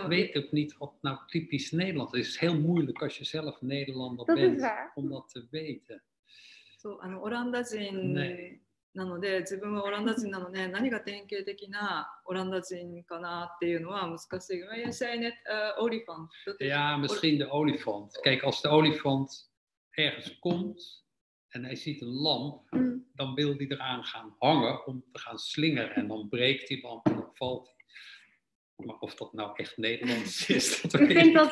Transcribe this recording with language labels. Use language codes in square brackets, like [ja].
[nl] Ik weet ook niet wat nou typisch Nederlands is. Het is heel moeilijk als je zelf Nederlander dat bent om dat te weten. Zo, [ja] オランダ人... [nl] Nee. [ja] なので自分はオランダ人なので何が典型的なオランダ人かなっていうのは難しい。 [en] You say [nl] net olifant. Ja, misschien de olifant. Kijk, als de olifant ergens komt en hij ziet een lamp, dan wil hij eraan gaan hangen om te gaan slingeren en dan breekt die lamp en dan valt hij. Maar of dat nou echt Nederlands is, dat weet ik niet.